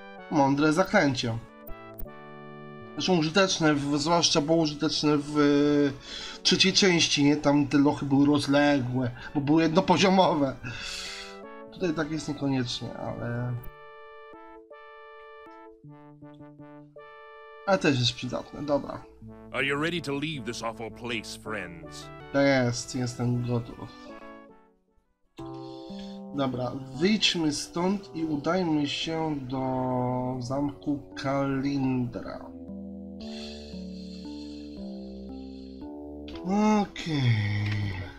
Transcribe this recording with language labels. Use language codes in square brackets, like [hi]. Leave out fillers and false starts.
[pl] Mądre zaklęcie. Zresztą użyteczne, zwłaszcza było użyteczne w trzeciej części, nie? Tam te lochy były rozległe, bo były jednopoziomowe. Tutaj tak jest niekoniecznie, ale... A też jest przydatne, dobra. [en] Are you ready to leave this awful place, friends? [pl] Jest, jestem gotów. Dobra, wyjdźmy stąd i udajmy się do zamku Kalindra. Okej.